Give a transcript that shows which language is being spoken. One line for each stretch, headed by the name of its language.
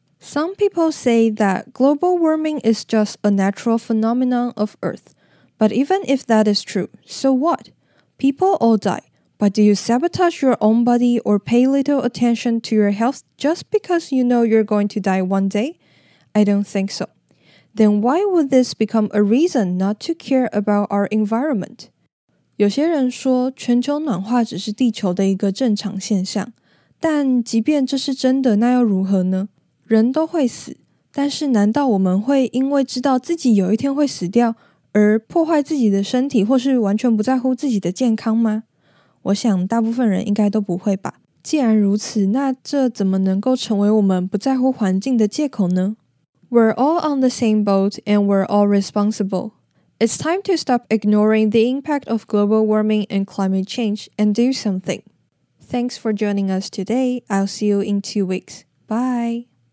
English: Some people say that global warming is just a natural phenomenon of Earth, but even if that is true, so what? People all die. But do you sabotage your own body or pay little attention to your health just because you know you're going to die one day? I don't think so. Then why would this become a reason not to care about our environment?
Chinese: 有些人说全球暖化只是地球的一个正常现象，但即便这是真的，那又如何呢？人都会死，但是难道我们会因为知道自己有一天会死掉而破坏自己的身体，或是完全不在乎自己的健康吗？我想大部分人应该都不会吧。既然如此，那这怎么能够成为我们不在乎环境的借口呢？
English: We're all on the same boat and we're all responsible. It's time to stop ignoring the impact of global warming and climate change and do something. Thanks for joining us today. I'll see you in 2 weeks. Bye!